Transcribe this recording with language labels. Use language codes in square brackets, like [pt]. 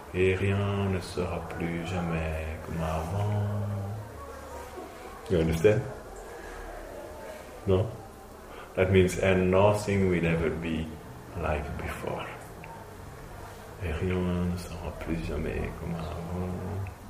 [fr] Et rien ne sera plus jamais comme avant. [en] You understand? No? That means, and nothing will ever be like before. [fr] Et rien ne sera plus jamais comme avant.